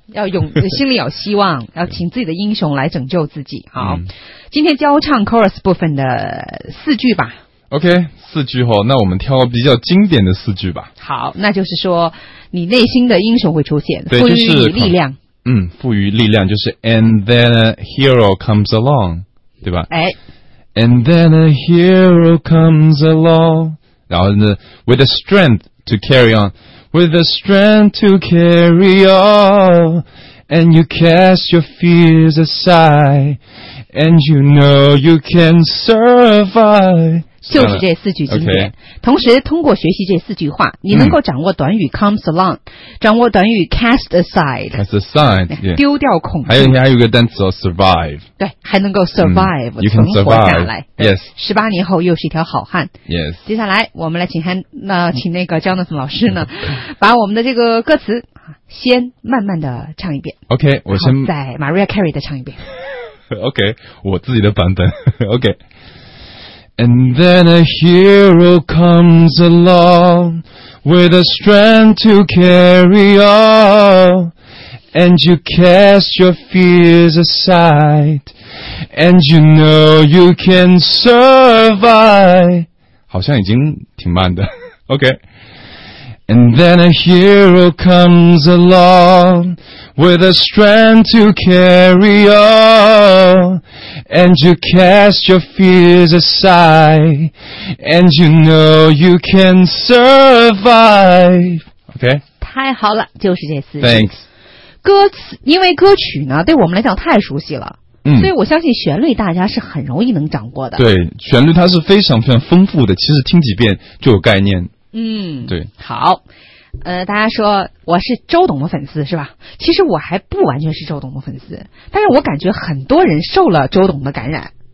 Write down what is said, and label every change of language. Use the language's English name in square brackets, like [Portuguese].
[Chinese] 要永心里有希望。要请自己的英雄来拯救自己。好，今天教唱 chorus 部分的四句吧。 OK， 四句后，那我们挑比较经典的四句吧。好，那就是说你内心的英雄会出现，赋予你力量。赋予力量就是 [English] and then a hero comes along， [Chinese] 对吧？哎， [English] and then a hero comes along， [Chinese] 然后呢 [English] with a strengthTo carry on, with the strength to carry on, and you cast your fears aside, And you know you can survive。 [Chinese] 就是这四句经典。同时通过学习这四句话，你能够掌握短语 comes along， 掌握短语 cast aside。 [English] cast aside， [Chinese] 丢掉恐惧。还有一个单词 survive。对，还能够 survive， [English] you can survive。 [Chinese] 存活下来。 [English] Yes。 [Chinese] 十八年后又是一条好汉。 [English] Yes。 [Chinese] 接下来我们来请那个 Jonathan 老师呢，把我们的这个歌词先慢慢的唱一遍。 OK， 我先再 Mariah Carey 的唱一遍。 OK， 我自己的版本。OK。 [English] And then a hero comes along with a strength to carry on, and you cast your fears aside, and you know you can survive. [Chinese] 好像已经挺慢的。OK. [English] And then a hero comes along with a strength to carry on. And you cast your fears aside, and you know you can survive. OK， [Chinese] 太好了，就是这四句。 [English] Thanks。 [Chinese] 歌词，因为歌曲呢，对我们来讲太熟悉了，所以我相信旋律大家是很容易能掌握的。对，旋律它是非常非常丰富的，其实听几遍就有概念。对，好。大家说我是周董的粉丝是吧？其实我还不完全是周董的粉丝，但是我感觉很多人受了周董的感染。